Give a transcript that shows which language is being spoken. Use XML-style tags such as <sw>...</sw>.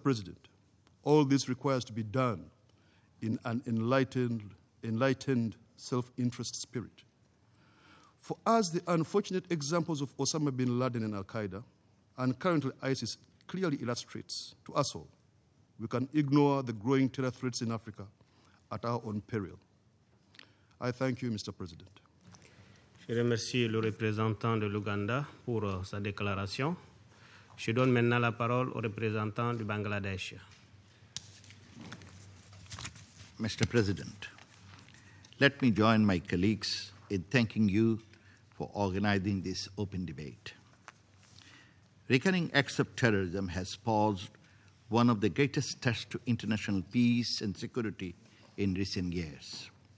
<en>President, all this requires to be done in an enlightened self-interest spirit. For us, the unfortunate examples of Osama bin Laden and Al-Qaeda, and currently ISIS, clearly illustrates to us all, we can ignore the growing terror threats in Africa at our own peril. I thank you, Mr. President.</en> <fr>Je remercie le représentant de l'Ouganda pour sa déclaration. Je donne maintenant la parole au représentant du Bangladesh.</fr> <en>Mr. President, let me join my colleagues in thanking you for organizing this open debate. Reckoning acts of terrorism has posed one of the greatest threats to international peace and security in recent years.</en>